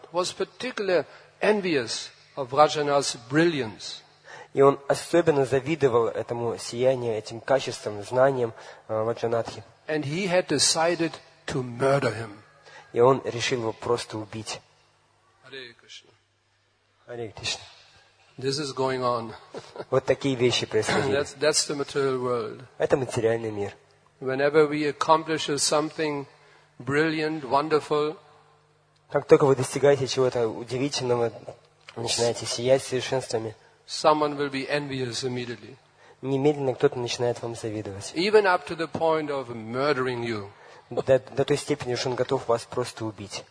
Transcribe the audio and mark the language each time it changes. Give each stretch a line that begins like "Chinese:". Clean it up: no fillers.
English: Was particularly envious of Vrajanath's brilliance.
Russian: И он особенно завидовал этому сиянию, этим качествам, знаниям Ваджранатхи.
English: And he had decided to murder him.
Russian: И он решил его просто убить.
Sanskrit: Hare Krishna. Hare Krishna.
English: This is going on.
Russian: Вот такие вещи происходили.
English: That's the material world.
Russian: Это материальный мир.
English: Whenever we accomplish something brilliant, wonderful,
Russian: как только вы достигаете чего-то удивительного, начинаете сиять совершенствами,
English: someone will be envious immediately.
Russian: Немедленно кто-то начинает вам завидовать.
English: Even up to the point of murdering you.
Russian: До той степени, что он готов вас просто убить.